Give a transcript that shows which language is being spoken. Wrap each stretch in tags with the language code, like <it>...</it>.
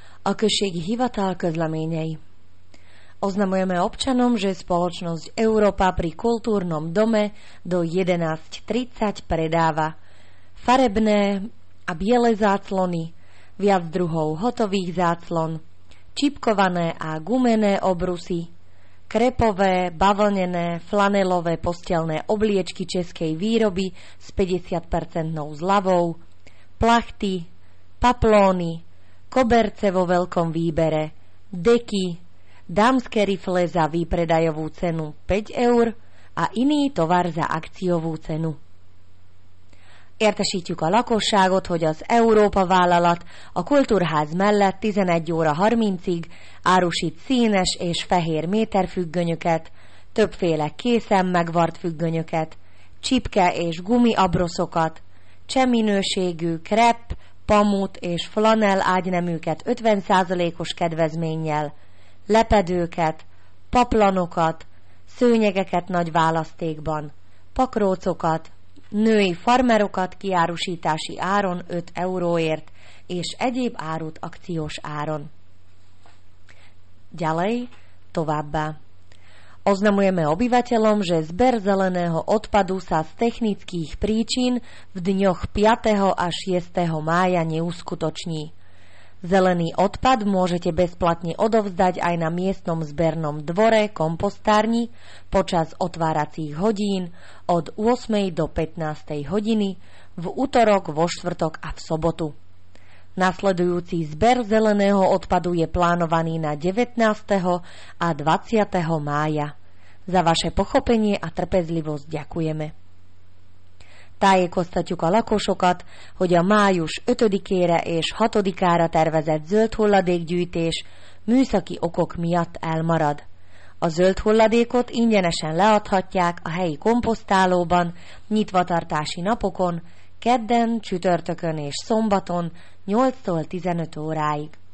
<sk>Akšek hivatálka zlamenej. Oznamujeme občanom, že spoločnosť Európa pri kultúrnom dome do 11.30 predáva farebné a biele záclony, viac druhov hotových záclon, čipkované a gumené obrusy, krepové, bavlnené, flanelové postelné obliečky českej výroby s 50% zľavou, plachty, paplóny, koberce vo veľkom výbere, deky, dámske rifle za výpredajovú cenu 5 eur a iný tovar za akciovú cenu.</sk> <hu>Értesítjük a lakosságot, hogy az Európa vállalat a kultúrház mellett 11 óra 30-ig árusít színes és fehér méterfüggönyöket, többféle készen megvart függönyöket, csipke és gumi abroszokat, cseh minőségű krep, pamut és flanel ágyneműket 50%-os kedvezménnyel, lepedőket, paplanokat, szőnyegeket nagy választékban, pakrócokat, női farmerokat kiárusítási áron 5 euróért és egyéb árut akciós áron.</hu> <sk>Ďalej,</sk> <hu>továbbá.</hu> <sk>Oznamujeme obyvateľom, že zber zeleného odpadu sa z technických príčin v dňoch 5. a 6. mája neuskutoční. Zelený odpad môžete bezplatne odovzdať aj na miestnom zbernom dvore kompostárni počas otváracích hodín od 8. do 15. hodiny v utorok, vo štvrtok a v sobotu. Nasledujúci zber zeleného odpadu je plánovaný na 19. a 20. mája. Za vaše pochopenie a trpezlivosť ďakujeme.</sk> <hu>Tájékoztatjuk a lakosokat, hogy a május 5-ére és 6-ára tervezett zöld hulladékgyűjtés műszaki okok miatt elmarad. A zöld hulladékot ingyenesen leadhatják a helyi komposztálóban, nyitvatartási napokon, kedden, csütörtökön és szombaton 8-tól 15 óráig.</hu>